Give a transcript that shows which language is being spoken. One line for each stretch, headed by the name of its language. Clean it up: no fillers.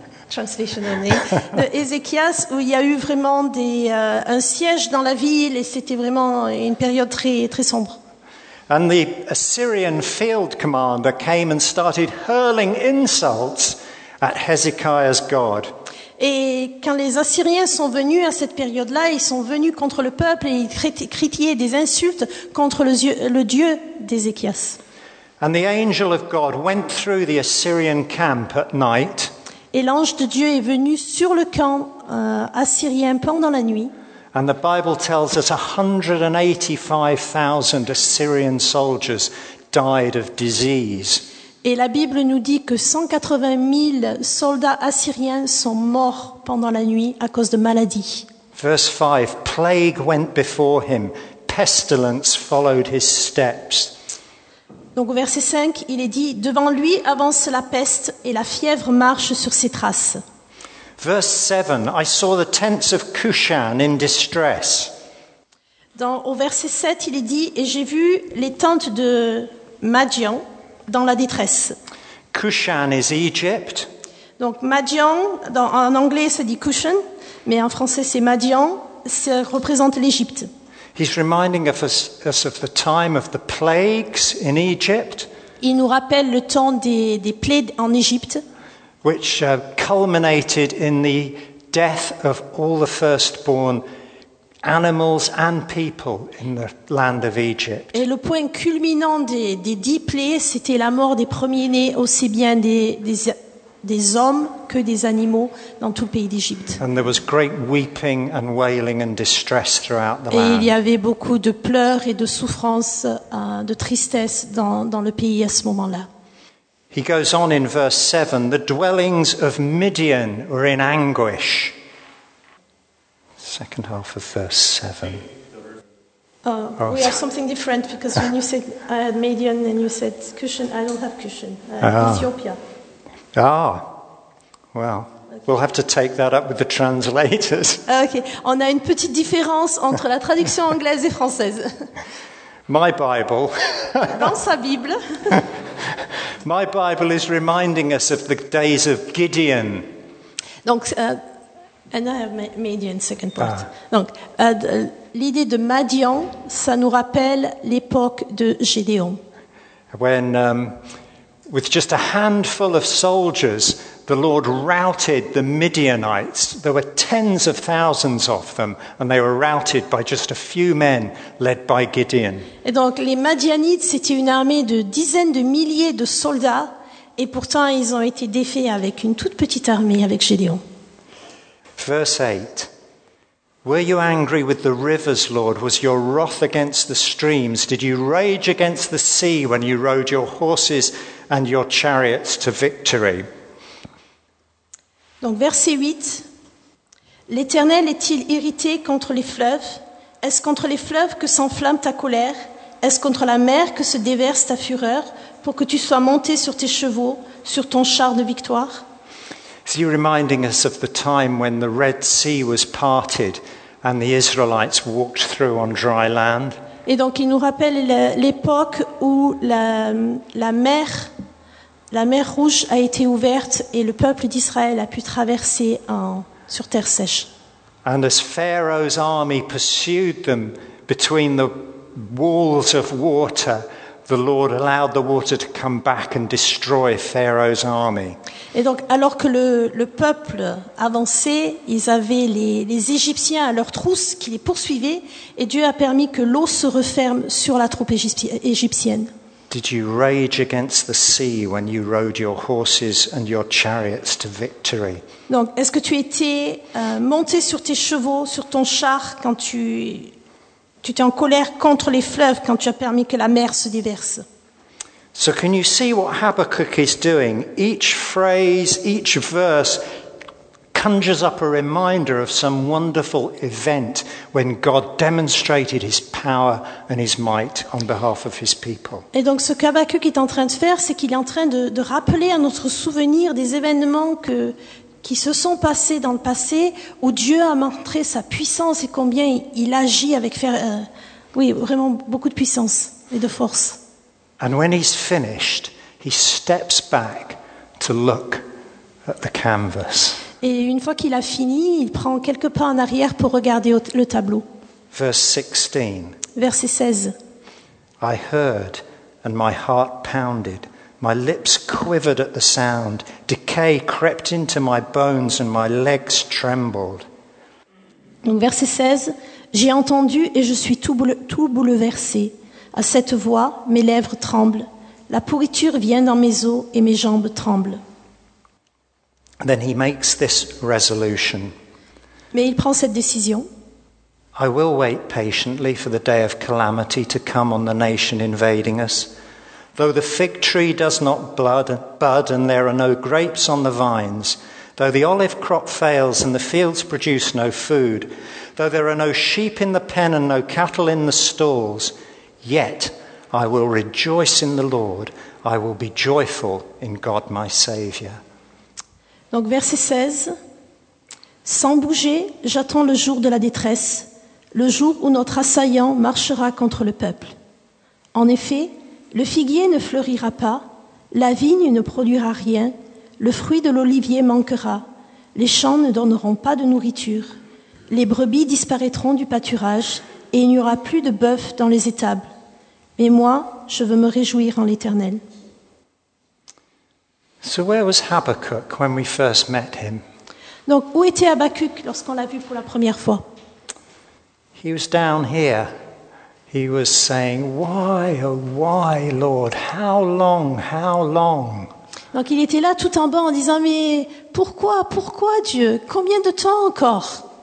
English: Translation only.
French: De Ézéchias, où il y a eu vraiment un siège dans la ville et c'était vraiment une période très très sombre.
English: And the Assyrian field commander came and started hurling insults at Hezekiah's God.
French: Et quand les Assyriens sont venus à cette période-là, ils sont venus contre le peuple et ils criaient des insultes contre le Dieu d'Ézéchias.
English: And the angel of God went through the Assyrian camp at night.
French: Et l'ange de Dieu est venu sur le camp assyrien pendant la nuit.
English: And the Bible tells us 185,000 Assyrian soldiers died of disease.
French: Et la Bible nous dit que 180 000 soldats assyriens sont morts pendant la nuit à cause de maladies.
English: Verse 5, plague went before him, pestilence followed his steps.
French: Donc au verset 5, il est dit, devant lui avance la peste et la fièvre marche sur ses traces.
English: Verse 7, I saw the tents of Cushan in distress.
French: Au verset 7, il est dit, et j'ai vu les tentes de Madian dans la détresse.
English: Cushan is Egypt.
French: Donc Madian, en anglais ça dit Cushan, mais en français c'est Madian, ça représente l'Égypte.
English: He's reminding us of the time of the plagues in Egypt.
French: Il nous rappelle le temps des plaies en Égypte.
English: which culminated in the death of all the firstborn animals and people in the land of Egypt.
French: Et le point culminant des 10 plaies, c'était la mort des premiers-nés, aussi bien des hommes que des animaux dans tout le pays d'Égypte.
English: And there was great weeping and wailing and distress throughout the land.
French: Et il y avait beaucoup de pleurs et de souffrances, de tristesse dans le pays à ce moment-là.
English: He goes on in verse 7, the dwellings of Midian were in anguish. Second half of verse 7. We have something different because when you said I had Midian and you said cushion, I don't have cushion. Ethiopia. Ah, well, okay. We'll have to take that up with the translators.
French: Okay, on a une petite différence entre la traduction anglaise et française.
English: My Bible.
French: Dans sa Bible.
English: My Bible is reminding us of the days of Gideon. Donc, and I have Midian, second part. Ah.
French: Donc, l'idée de Midian, ça nous rappelle l'époque de Gédéon.
English: When with just a handful of soldiers, the Lord routed the Midianites. There were tens of thousands of them, and they were routed by just a few men led by Gideon.
French: Et donc, les Madianites, c'était une armée de dizaines de milliers de soldats, et pourtant, ils ont été défaits avec une toute petite armée, avec Gédéon.
English: Verse 8. Were you angry with the rivers, Lord? Was your wrath against the streams? Did you rage against the sea when you rode your horses and your chariots to victory?
French: Donc verset 8. L'Éternel est-il irrité contre les fleuves? Est-ce contre les fleuves que s'enflamme ta colère? Est-ce contre la mer que se déverse ta fureur pour que tu sois monté sur tes chevaux, sur ton char de victoire?
English: Is he reminding us of the time when the Red Sea was parted and the Israelites walked through on dry land?
French: Et donc il nous rappelle l'époque où la mer rouge a été ouverte et le peuple d'Israël a pu traverser sur terre sèche.
English: And as Pharaoh's army pursued them between the walls of water, the Lord allowed the water to come back and destroy Pharaoh's army.
French: Et donc, alors que le peuple avançait, ils avaient les Égyptiens à leurs trousses qui les poursuivaient, et Dieu a permis que l'eau se referme sur la troupe égyptienne.
English: Did you rage against the sea when you rode your horses and your chariots to victory?
French: Donc, est-ce que tu étais monté sur tes chevaux, sur ton char, quand tu t'es en colère contre les fleuves quand tu as permis que la mer se déverse.
English: So can you see what Habakkuk is doing? Each phrase, each verse conjures up a reminder of some wonderful event when God demonstrated his power and his might on behalf of his people.
French: Et donc ce qu'Habakkuk est en train de faire, c'est qu'il est en train de rappeler à notre souvenir des événements qui se sont passés dans le passé, où Dieu a montré sa puissance et combien il agit avec vraiment beaucoup de puissance et de force.
English: And when he's finished, he steps back to look at the canvas.
French: Et une fois qu'il a fini, il prend quelques pas en arrière pour regarder le tableau.
English: Verse 16.
French: Verset 16.
English: I heard and my heart pounded. My lips quivered at the sound. Decay crept into my bones and my legs trembled.
French: Donc verset 16. J'ai entendu et je suis tout bouleversé. À cette voix, mes lèvres tremblent. La pourriture vient dans mes os et mes jambes tremblent.
English: Then he makes this resolution.
French: Mais il prend cette décision.
English: I will wait patiently for the day of calamity to come on the nation invading us. Though the fig tree does not bud and there are no grapes on the vines, though the olive crop fails and the fields produce no food, though there are no sheep in the pen and no cattle in the stalls, yet I will rejoice in the Lord, I will be joyful in God my Savior.
French: Donc verset 16. Sans bouger, j'attends le jour de la détresse, le jour où notre assaillant marchera contre le peuple. En effet, le figuier ne fleurira pas, la vigne ne produira rien, le fruit de l'olivier manquera, les champs ne donneront pas de nourriture, les brebis disparaîtront du pâturage et il n'y aura plus de bœuf dans les étables. Mais moi, je veux me réjouir en l'Éternel.
English: So where was Habakkuk when we first met him?
French: Donc où était Habakkuk lorsqu'on l'a vu pour la première fois?
English: He was down here. He was saying, "Why, oh why, Lord? How long? How long?"
French: Donc il était là tout en bas en disant, "Mais pourquoi? Pourquoi Dieu? Combien de temps encore?"